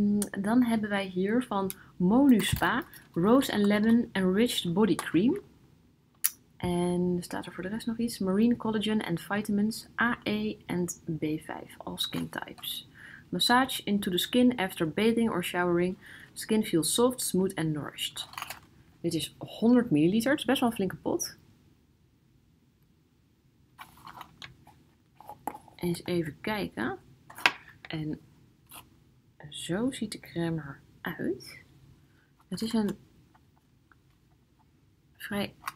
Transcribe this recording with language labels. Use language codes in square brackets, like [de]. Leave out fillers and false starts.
[nl] Dan hebben wij hier van Monuspa Rose and Lemon Enriched Body Cream. En staat er voor de rest nog iets? [en] Marine Collagen and Vitamins AE en B5, all skin types. Massage into the skin after bathing or showering. Skin feels soft, smooth and nourished. [nl] Dit is 100 ml. Het is best wel een flinke pot. Eens even kijken. En zo ziet de crème eruit. Het is een vrij...